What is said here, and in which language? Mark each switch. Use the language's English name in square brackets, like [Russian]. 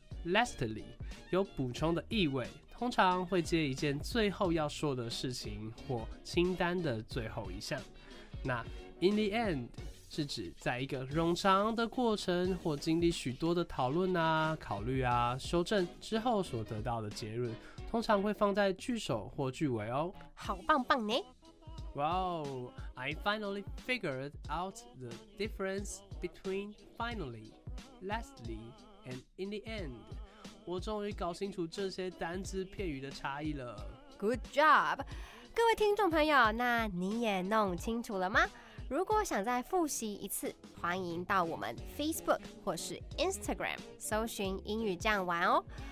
[Chinese] Lastly， 有补充的意味，通常会接一件最后要说的事情或清单的最后一项。那 in the end 是指在一个冗长的过程或经历许多的讨论啊、考虑啊、修正之后所得到的结论，通常会放在句首或句尾哦。好棒棒呢！ [English] Wow, I finally figured out the difference between finally, lastly, and in the end. [Chinese] 我终于搞清楚这些单字片语的差异了。 [English] Good job! [Chinese] 各位听众朋友，那你也弄清楚了吗？如果想再复习一次，欢迎到我们 Facebook 或是 Instagram 搜寻英语酱玩哦。